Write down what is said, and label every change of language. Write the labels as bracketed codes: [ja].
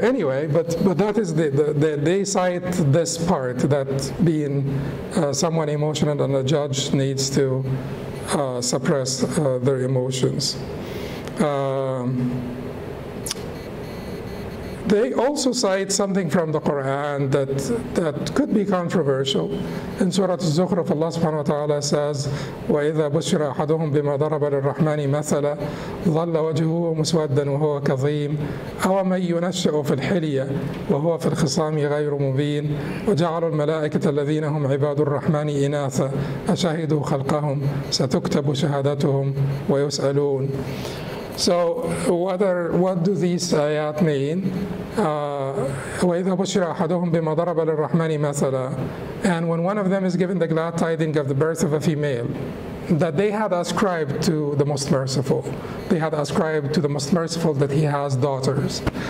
[en] Anyway, but that is the they cite this part, that being someone emotional and a judge needs to suppress their emotions. They also cite something from the Quran that could be controversial. In Surah Az-Zukhruf, Allah subhanahu wa ta'ala says, [ar] وَإِذَا بُشِّرَ أَحَدُهُمْ بِمَا ضَرَبَ لِلرَّحْمَنِ مَثَلًا ظَلَّ وَجْهُهُ مُسْوَدًّا وَهُوَ كَظِيمٌ أَوْ مَن يُنَشَّأُ فِي الْحِلْيَةِ وَهُوَ فِي الْخِصَامِ غَيْرُ مُبِينٍ وَجَعَلُوا الْمَلَائِكَةَ الَّذِينَ هُمْ عِبَادُ الرَّحْمَنِ إِنَاثًا أَشَهِدُوا خَلْقَهُمْ سَتُكْتَبُ شَهَادَتُهُمْ وَيُسْأَلُونَ. [en] So what do these ayat mean? [ar] وَإِذَا بُشِرَ أَحَدُهُمْ بِمَا ضَرَبَ لِلرَّحْمَنِ مَثَلًا. [en] And when one of them is given the glad tidings of the birth of a female, that they had ascribed to the Most Merciful. They had ascribed to the Most Merciful that he has daughters.